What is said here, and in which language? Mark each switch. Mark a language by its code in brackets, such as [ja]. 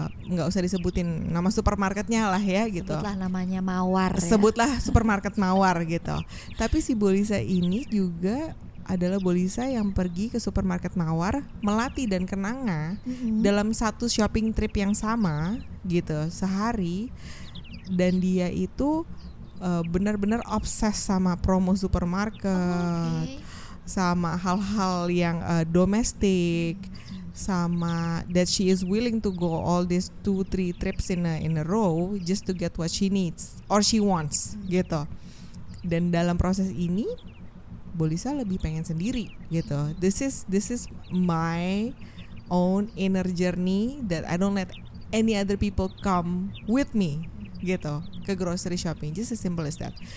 [id] Nggak usah disebutin nama supermarketnya lah ya, gitu. Sebutlah namanya Mawar. Sebutlah ya, supermarket Mawar, gitu. Tapi si Bo Lisa ini juga adalah Bo Lisa yang pergi ke supermarket Mawar, Melati dan Kenanga dalam satu shopping trip yang sama, gitu, sehari. Dan dia itu benar-benar obses sama promo supermarket, sama hal-hal yang domestik, sama that she is willing to go all these 2-3 trips in a row just to get what she needs or she wants, gitu. Dan dalam proses ini Bo Lisa lebih pengen sendiri, gitu. [en] This is my own inner journey that I don't let any other people come with me, gitu, ke grocery shopping, just as simple as that.